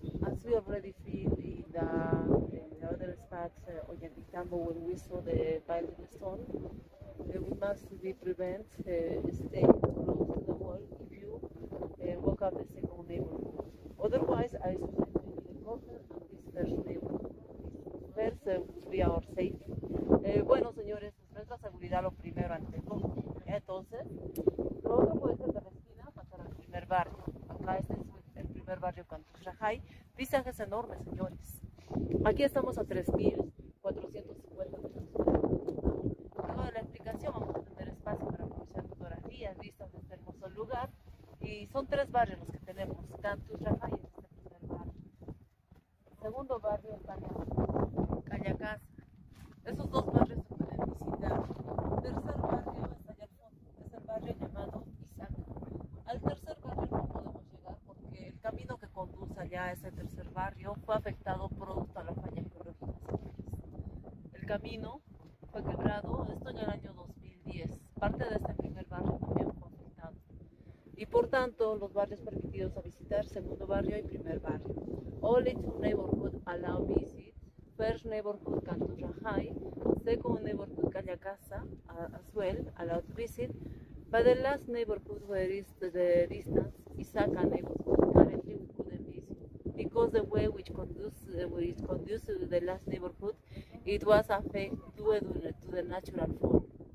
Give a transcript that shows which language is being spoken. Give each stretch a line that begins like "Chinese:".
English: As we already feel in the other spots, Ollantaytambo, when we saw the violent storm, we must be prevent stay close to the wall if you walk up the second level. Otherwise, I suggest you need a cover on this first level. First, we are safe.
Spanish: Bueno, señores, nuestra seguridad lo primero ante todo. Entonces, lo otro puede ser de la esquina pasar al primer barrio. Acá este es el primer barrio Cantuxajay. Visajes enormes, señores. Aquí estamos a 3,450 metros. Luego de la explicación, vamos a tener espacio para conocer fotografías, vistas de este hermoso lugar. Y son tres barrios los que tenemos. Cantuxajay es este primer barrio. El segundo barrio es Cayacas. Esos dos barrios se pueden visitar. El tercer barrio está allá al fondo, es el barrio llamado Isaac. Al tercer barrio no podemos llegar porque el camino que conduce allá a ese tercer barrio fue afectado producto a la falla geológica. El camino fue quebrado, esto en el año 2010. Parte de este primer barrio también fue afectado. Y por tanto, los barrios permitidos a visitar, segundo barrio y primer barrio.
English: All its neighborhood allow visit. First neighborhood Cantuxajay, second neighborhood Cayacasa as well, allowed visit, but the last neighborhood where is the distance, Isaka neighborhood, currently we couldn't visit, because the way which conduces to the last neighborhood, it was affected to the natural form.